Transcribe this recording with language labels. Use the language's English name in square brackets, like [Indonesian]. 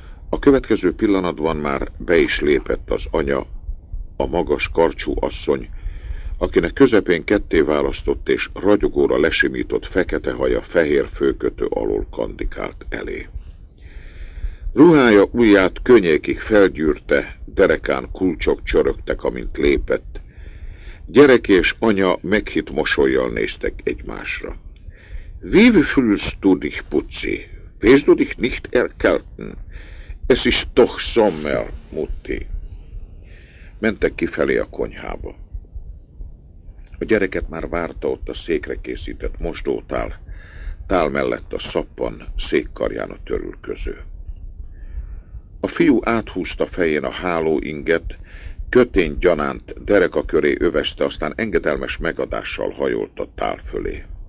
[Hungarian] A következő pillanatban már be is lépett az anya, a magas karcsú asszony, akinek közepén ketté választott és ragyogóra lesimított fekete haja fehér főkötő alól kandikált elé. Ruhája ujját könnyékig felgyűrte, derekán kulcsok csörögtek, amint lépett. Gyerek és anya meghitt mosollyal néztek egymásra. [German] Wie fühlst du dich, Putzi? Willst du dich nicht erkälten? Es ist doch Sommer, Mutti. [Hungarian] Mentek kifelé a konyhába. A gyereket már várta ott a székre készített mosdótál, tál mellett a szappan, székkarján a törülköző. A fiú áthúzta fején a hálóinget, kötény gyanánt dereka köré övezte, aztán engedelmes megadással hajolt a tál fölé.